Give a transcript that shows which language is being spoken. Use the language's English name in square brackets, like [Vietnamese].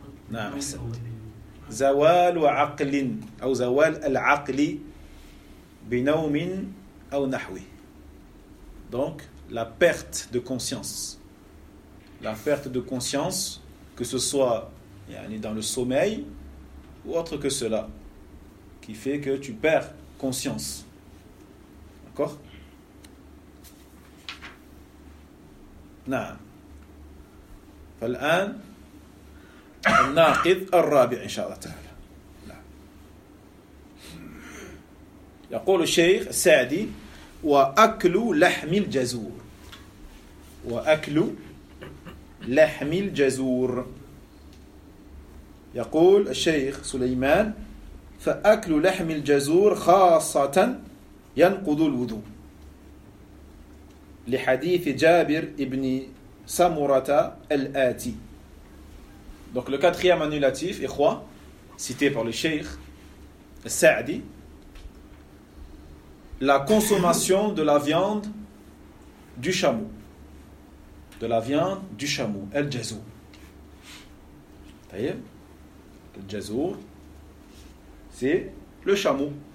[French] Non, c'est [Arabic] زوال عقل أو زوال العقل بنوم أو نحوي. [French] Donc la perte de conscience, la perte de conscience, que ce soit yani dans le sommeil ou autre que cela, qui fait que tu perds conscience. D'accord? [Arabic] نعم. فالآن الناقض الرابع إن شاء الله تعالى. يقول الشيخ السعدي وأكل لحم الجزور وأكل لحم الجزور. يقول الشيخ سليمان فأكل لحم الجزور خاصة ينقض الوضوء لحديث جابر ابن سمرة الآتي. [French] Donc le quatrième annulatif, cité par le Cheikh Sa'di, la consommation de la viande du chameau. De la viande du chameau, el-jazour. D'ailleurs, el-jazour, c'est le chameau.